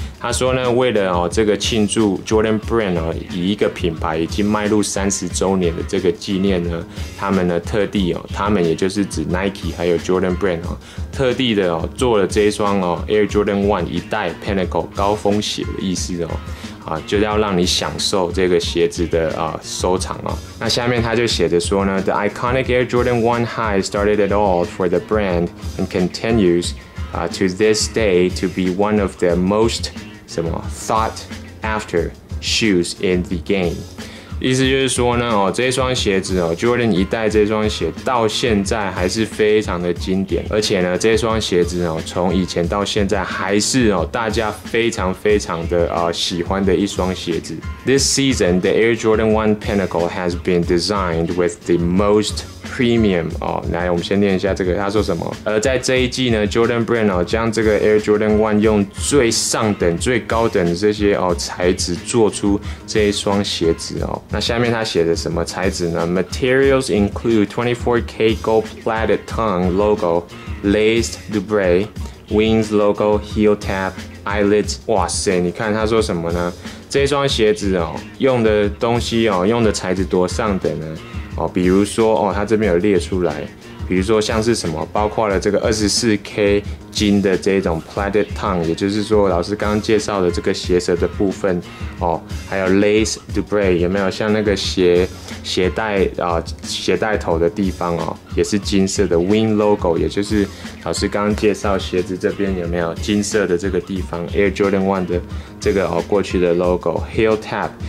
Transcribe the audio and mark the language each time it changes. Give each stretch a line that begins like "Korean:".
Chinese: 他说呢，为了哦这个庆祝 Jordan brand 哦以一个品牌已经迈入30周年的这个纪念呢，他们呢特地哦，他们也就是指 Nike 还有 Jordan brand 哦，特地的哦做了这一双哦 Air Jordan 1一代 Pinnacle 高峰鞋的意思哦。啊，就要让你享受这个鞋子的收藏哦。那下面他就写着说呢
English: ，The iconic Air Jordan 1 High started it all for the brand and continues to this day to be one of the most
Chinese: 什么
English: thought after shoes in the game。
Chinese: 意思就是说呢，哦，这双鞋子哦 ，Jordan 一代这双鞋到现在还是非常的经典，而且呢，这双鞋子哦，从以前到现在还是哦，大家非常非常的喜欢的一双鞋子。
English: This season, the Air Jordan 1 Pinnacle has been designed with the most premium 哦。
Chinese: 来，我们先念一下这个，他说什么？在这一季呢 ，Jordan Brand 哦，将这个 Air Jordan 1用最上等、最高等的这些哦材质做出这一双鞋子哦。那下面他写的什么材质呢
English: ？Materials include 24K gold plated tongue logo, laced dubray, wings logo, heel tab, eyelids。
Chinese: 哇塞，你看他说什么呢？这双鞋子哦，用的东西哦，用的材质多上等呢。哦，比如说哦，他这边有列出来，比如说像是什么，包括了这个 24K 金的这种 plated tongue， 也就是说老师刚刚介绍的这个鞋舌的部分哦，还有 lace dubray， 有没有像那个鞋带头的地方哦，也是金色的 wing logo， 也就是老师刚刚介绍鞋子这边有没有金色的这个地方 Air Jordan 1的这个哦过去的 logo， heel tab。